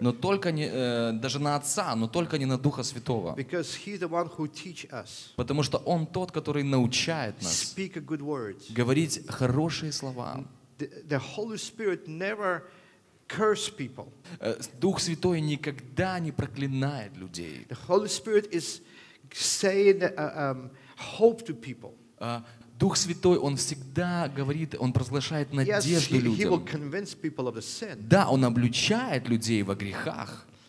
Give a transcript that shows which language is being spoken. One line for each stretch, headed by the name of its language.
Russian: Но только не даже на отца, но только не на Духа Святого.
English: Because he's the one who teach us.
Russian: Потому что он тот, который научает нас.
English: Speak a good word.
Russian: Говорить хорошие слова.
English: The Holy Spirit never curse people.
Russian: Дух Святой никогда не проклинает людей.
English: The Holy Spirit is saying hope to people.
Russian: Дух Святой, Он всегда говорит, Он провозглашает надежду людям. Да, Он обличает людей во грехах.